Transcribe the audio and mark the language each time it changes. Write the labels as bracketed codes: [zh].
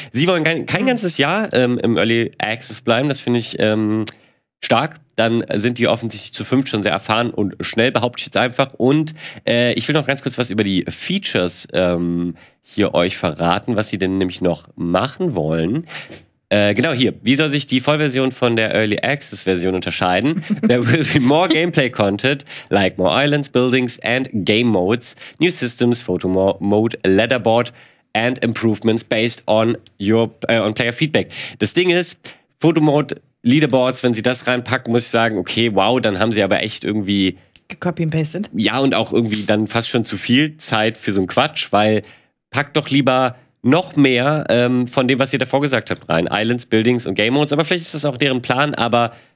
[de] Sie wollen kein ganzes Jahr im Early Access bleiben. Das finde ich stark, dann sind die offensichtlich zu 5 schon sehr erfahren und schnell, behaupte ich jetzt einfach. Und ich will noch ganz kurz was über die Features hier euch verraten, was sie denn nämlich noch machen wollen. Genau hier, wie soll sich die Vollversion von der Early Access Version unterscheiden? [en] There will be more gameplay content, like more islands, buildings and game modes, new systems, photo mode, leaderboard and improvements based on on player feedback. [de] Das Ding ist, Photo Mode, Leaderboards, wenn sie das reinpacken, muss ich sagen, okay, wow, dann haben sie aber echt irgendwie gecopy and pasted. Ja, und auch irgendwie dann fast schon zu viel Zeit für so einen Quatsch, weil packt doch lieber noch mehr von dem, was ihr davor gesagt habt, rein. Islands, Buildings und Game Modes, aber vielleicht ist das auch deren Plan, aber